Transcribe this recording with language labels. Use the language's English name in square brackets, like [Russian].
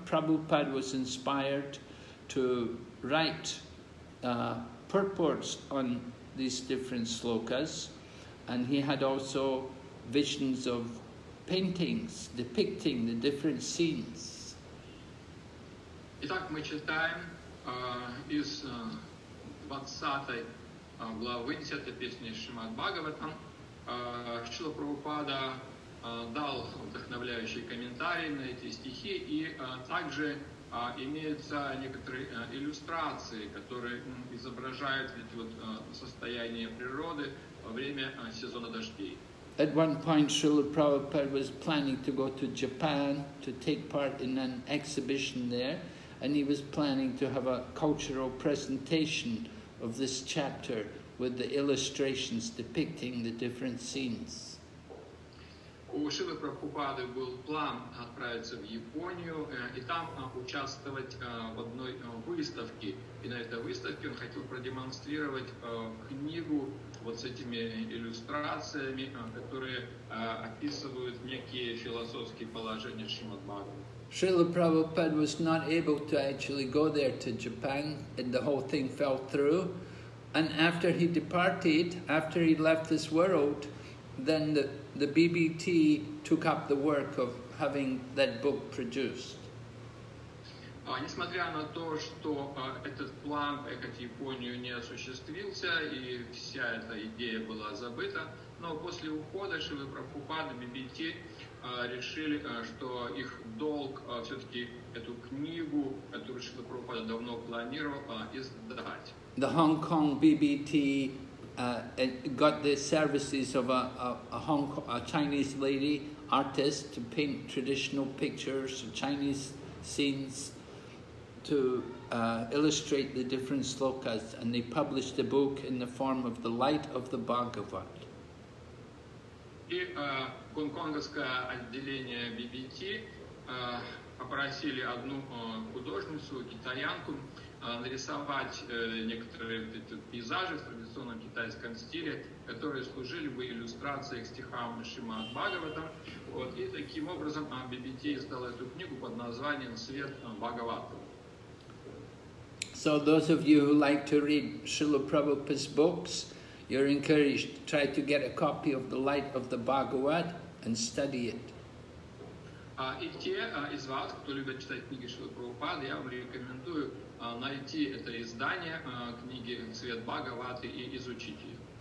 [English] Prabhupada was inspired to write purports on these different slokas. And he had also visions of paintings depicting the different scenes. [Russian] Итак, мы читаем из 20-й главы 10-й песни Шримад Бхагаватам. Шрила Прабхупада дал вдохновляющие комментарии на эти стихи, и также имеются некоторые иллюстрации, которые изображают состояние природы во время сезона дождей. [English] At one point, Srila Prabhupada was planning to go to Japan to take part in an exhibition there, and he was planning to have a cultural presentation of this chapter with the illustrations depicting the different scenes. [Russian] У Шрилы Прабхупады был план отправиться в Японию и там участвовать в одной выставке. И на этой выставке он хотел продемонстрировать книгу вот с этими иллюстрациями, которые описывают некие философские положения Шримад Бхагаватам. [English] Шрила Прабхупада was not able to actually go there to Japan, and the whole thing fell through. And after he departed, after he left this world, then the BBT took up the work of having that book produced. [Russian] Несмотря на то, что этот план поехать в Японию не осуществился и вся эта идея была забыта, но после ухода Шрилы Прабхупады BBT решили, что их долг все-таки эту книгу, которую Шрила Прабхупада давно планировал, издать. [English] The Hong Kong BBT got the services of a Chinese lady artist to paint traditional pictures, Chinese scenes, to illustrate the different slokas, and they published the book in the form of The Light of the Bhagavad. [Russian] И гонконгское отделение BBT попросили одну художницу, китаянку, нарисовать некоторые пейзажи в традиционном китайском стиле, которые служили бы иллюстрацией к стихам Шримад Бхагаватам. Вот. И таким образом BBT издала эту книгу под названием «Свет Бхагавата». [English] So those of you who like to read Srila Prabhupada's books, you're encouraged to try to get a copy of The Light of the Bhagavad and study it. [Russian] И те из вас, кто любит читать книги Шрилы Прабхупады, я вам рекомендую найти это издание книги «Свет Бхагаваты» и изучить ее.